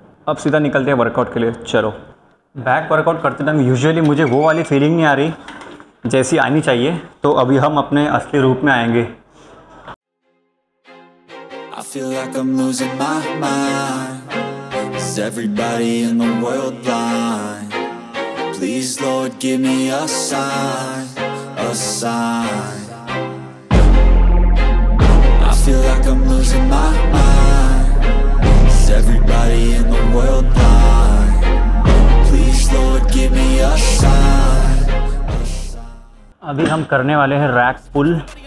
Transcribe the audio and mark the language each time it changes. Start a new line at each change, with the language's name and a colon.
Hindi: अब सीधा निकलते हैं वर्कआउट के लिए, चलो। बैक वर्कआउट करते टाइम यूजुअली मुझे वो वाली फीलिंग नहीं आ रही जैसी आनी चाहिए, तो अभी हम अपने असली रूप में आएंगे।
English: Please, Lord, give me a sign, a sign. I feel like I'm losing my mind. Is everybody in the world blind? Please, Lord, give me a sign.
Hindi: अभी हम करने वाले हैं रैक पुल।